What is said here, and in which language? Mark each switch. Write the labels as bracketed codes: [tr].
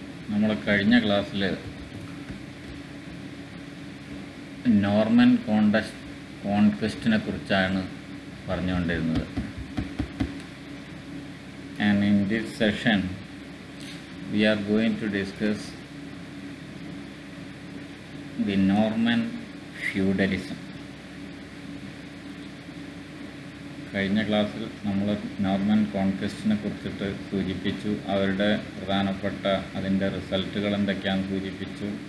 [ml] നമ്മുടെ കഴിഞ്ഞ ക്ലാസ്സിൽ നോർമൻ കോൺക്വസ്റ്റിനെ കുറിച്ചാണ് പറഞ്ഞുകൊണ്ടിരുന്നത്. [en] And in this session, we are going to discuss the Norman Feudalism. [ml] കഴിഞ്ഞ ക്ലാസ്സിൽ നമ്മൾ നോർമൻ കോൺക്വസ്റ്റിനെ കുറിച്ചിട്ട് സൂചിപ്പിച്ചു, അവരുടെ പ്രധാനപ്പെട്ട അതിൻ്റെ റിസൾട്ടുകൾ എന്തൊക്കെയാണെന്ന് സൂചിപ്പിച്ചു.